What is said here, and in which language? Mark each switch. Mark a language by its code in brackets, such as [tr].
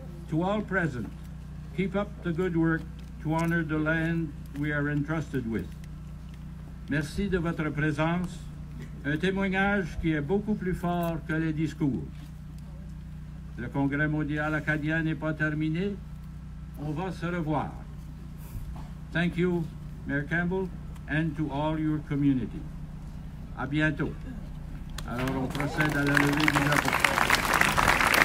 [en] To all present, keep up the good work to honor the land we are entrusted with. [fr] Merci de votre présence, un témoignage qui est beaucoup plus fort que les discours. Le Congrès mondial acadien n'est pas terminé. On va se revoir. [en] Thank you, Mayor Campbell, and to all your community. [fr] À bientôt. Alors, on procède à la levée du drapeau.